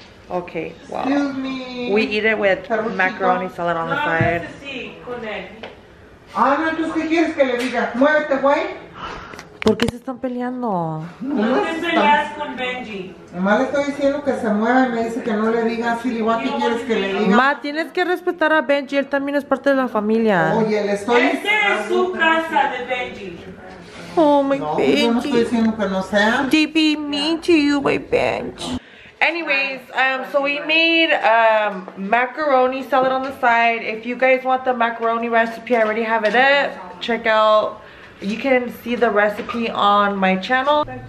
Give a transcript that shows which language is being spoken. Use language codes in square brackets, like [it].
[en] Okay, well, we eat it with macaroni salad on the side. [es] ¿Por qué se están peleando? No te peleas con Benji. Más le estoy diciendo que se mueva y me dice que no le diga así. Igual que quieres que le diga. Ma, tienes que respetar a Benji. Él también es parte de la familia. Oye, le estoy... Esta es su casa de Benji. [en] Oh, my Benji. [es] No, yo no estoy diciendo que no sea. [en] They be mean to you, my Benji. Anyways, so we made macaroni salad on the side. If you guys want the macaroni recipe, I already have it up. Check out... You can see the recipe on my channel.